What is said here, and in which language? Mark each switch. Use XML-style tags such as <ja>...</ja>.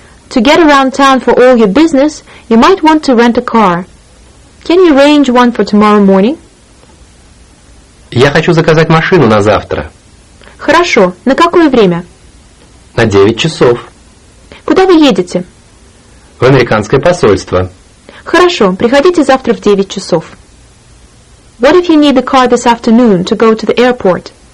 <en>To get around town for all your business, you might want to rent a car. Can you arrange one for tomorrow morning?</en> <ru>Я хочу заказать машину на завтра. Хорошо. На какое время? На 9 часов. Куда вы едете? В американское посольство. Хорошо. Приходите завтра в 9 часов.</ru> <en>What if you need a car this afternoon to go to the airport?</en>